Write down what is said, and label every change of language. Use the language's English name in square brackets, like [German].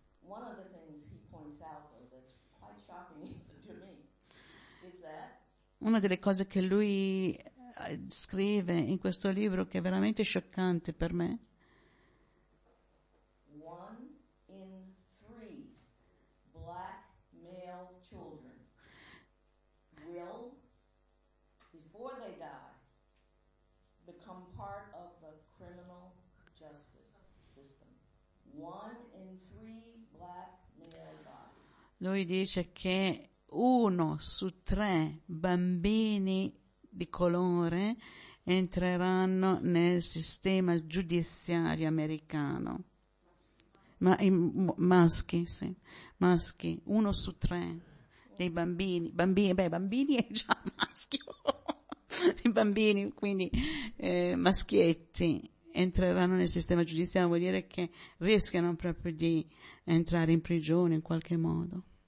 [English] One of the things he points out, though, that's quite shocking to me, is that [Italian] una delle cose che lui scrive in questo libro che è veramente scioccante per me. [English] One in three black male children will, before they die, become part of the criminal justice system. One in three black male bodies. [Italian] Lui dice che uno su tre bambini di colore entreranno nel sistema giudiziario americano. Maschi, uno su tre dei bambini è già maschio, dei bambini, quindi maschietti entreranno nel sistema giudiziario, vuol dire che rischiano proprio di entrare in prigione in qualche modo.